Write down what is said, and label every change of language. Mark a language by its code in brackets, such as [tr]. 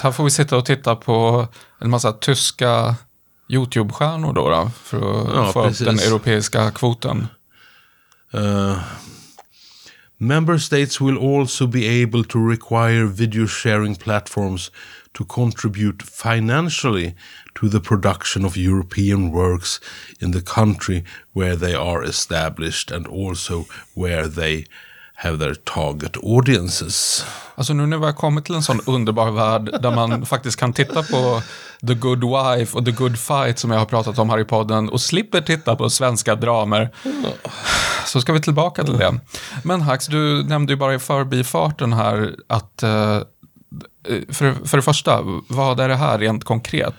[sv] Här får vi sitta och titta på en massa tyska YouTube-stjärnor då för att få precis. Upp den europeiska kvoten. [en] Member states will also be able to require video sharing platforms to contribute financially to the production of European works in the country where they are established and also where they have their target audiences. [sv] Alltså nu när vi har kommit till en sån underbar värld där man faktiskt kan titta på The Good Wife och The Good Fight som jag har pratat om här i podden och slipper titta på svenska dramer. Så ska vi tillbaka till det. Men Hax, du nämnde ju bara i förbifarten här att för det första, vad är det här rent konkret?